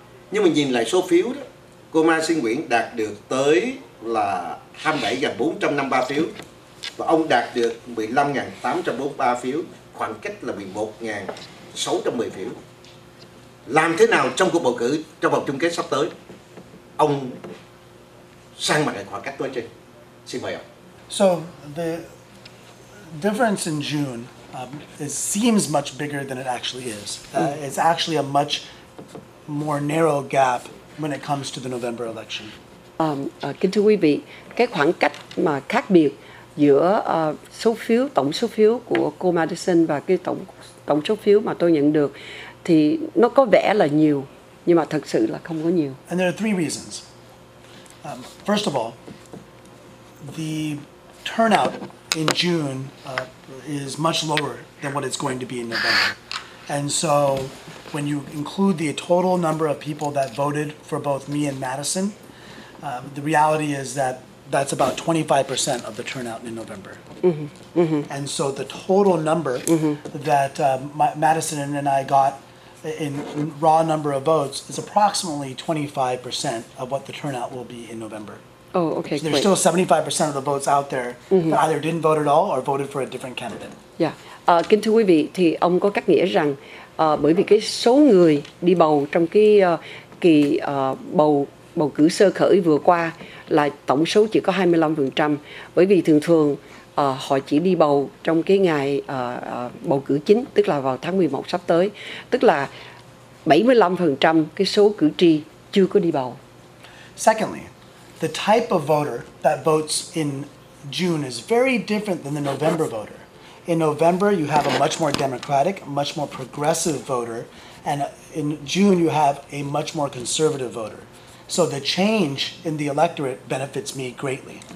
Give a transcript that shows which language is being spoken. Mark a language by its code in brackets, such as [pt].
[vi] Nhưng mà nhìn lại số phiếu đó, cô Mai Sinh Nguyễn đạt được tới là 27.453 phiếu và ông đạt được 15.843 phiếu, khoảng cách là 11.610 phiếu. Làm thế nào trong cuộc bầu cử, trong vòng chung kết sắp tới, ông sang mặt lại khoảng cách tối trên? Xin mời ông. [en] So the difference in June it seems much bigger than it actually is. It's actually a much more narrow gap when it comes to the November election. [vi] Kính thưa quý vị, cái khoảng cách mà khác biệt giữa số phiếu, tổng số phiếu của cô Madison và cái tổng số phiếu mà tôi nhận được thì nó có vẻ là nhiều, nhưng mà thật sự là không có nhiều. [en] And there are three reasons. First of all, the turnout in June is much lower than what it's going to be in November. And so when you include the total number of people that voted for both me and Madison, the reality is that that's about 25% of the turnout in November. Mm-hmm. Mm-hmm. And so the total number that Madison and I got in raw number of votes is approximately 25% of what the turnout will be in November. Oh, okay. So there's still 75% of the votes out there that either didn't vote at all or voted for a different candidate. Yeah. [vi] Kính thưa quý vị, thì ông có cách nghĩa rằng bởi vì cái số người đi bầu trong cái kỳ bầu cử sơ khởi vừa qua là tổng số chỉ có 25%, bởi vì thường thường họ chỉ đi bầu trong cái ngày bầu cử chính, tức là vào tháng 11 sắp tới, tức là 75% cái số cử tri chưa có đi bầu. [en] Secondly, the type of voter that votes in June is very different than the November voter. In November, you have a much more democratic, much more progressive voter, and in June, you have a much more conservative voter. So the change in the electorate benefits me greatly.